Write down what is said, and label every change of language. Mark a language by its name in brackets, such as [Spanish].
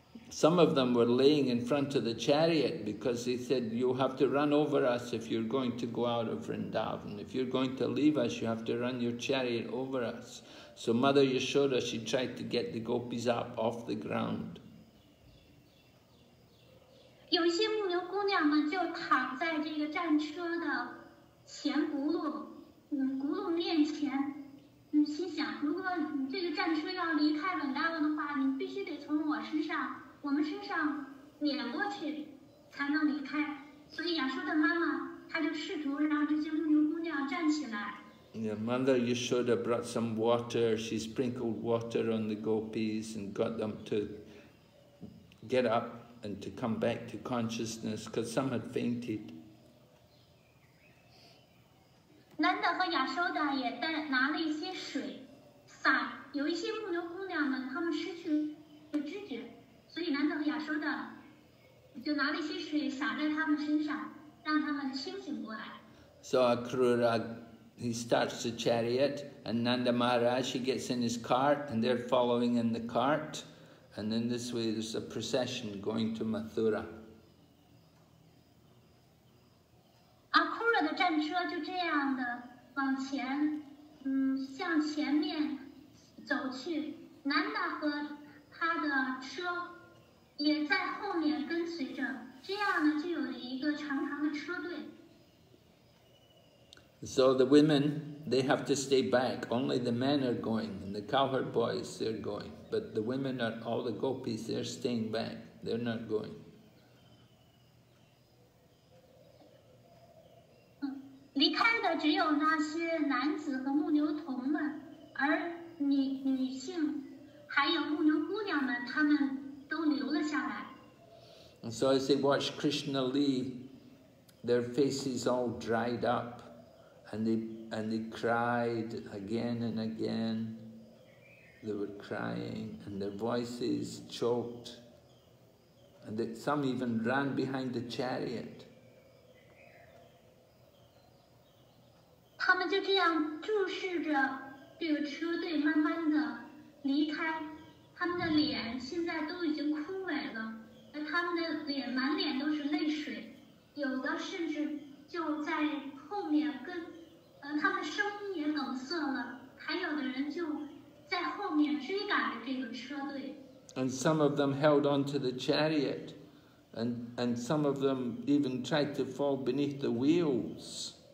[English] Some of them were laying in front of the chariot because they said, you have to run over us if you're going to go out of Vrindavan. If you're going to leave us, you have to run your chariot over us. So Mother Yashoda, she tried to get the gopis up off the ground. [Chinese] 有一些牧牛姑娘们就躺在这个战车的前轱辘，轱辘面前。心想，如果你这个战车要离开Vrindavan的话，你必须得从我身上。我们身上碾过去才能离开，所以亚修的妈妈她就试图让这些牧牛姑娘站起来。 [English] Yeah, Mother Yashoda brought some water. She sprinkled water on the gopis and got them to get up and to come back to consciousness, because some had fainted. [Chinese] Nanda 和亚修的也带拿了一些水，洒有一些牧牛姑娘们，她们失去了知觉。所以南德和亚修的就拿了一些水洒在他们身上，让他们清醒过来。 [English] So Akrura, he starts the chariot, and Nanda Maharaj, he gets in his cart, and they're following in the cart, and in this way there's a procession going to Mathura. [Chinese] Akrura 的战车就这样的往前，向前面走去。南德和他的车也在后面跟随着，这样呢就有了一个长长的车队。 [English] So the women, they have to stay back. Only the men are going, and the cowherd boys, they're going. But the women are all the gopis, they're staying back. They're not going. [Chinese] 离开的只有那些男子和牧牛童们，而女性还有牧牛姑娘们，她们 [English] And so as they watched Krishna leave, their faces all dried up, and they cried again and again. They were crying, and their voices choked, and that some even ran behind the chariot. [Chinese] 他们就这样注视着这个车队慢慢的离开。他们的脸现在都已经枯萎了，他们的脸满脸都是泪水，有的甚至就在后面跟，他们声音也冷色了，还有的人就在后面追赶着这个车队。 [English] And some of them held on to the chariot, and some of them even tried to fall beneath the wheels.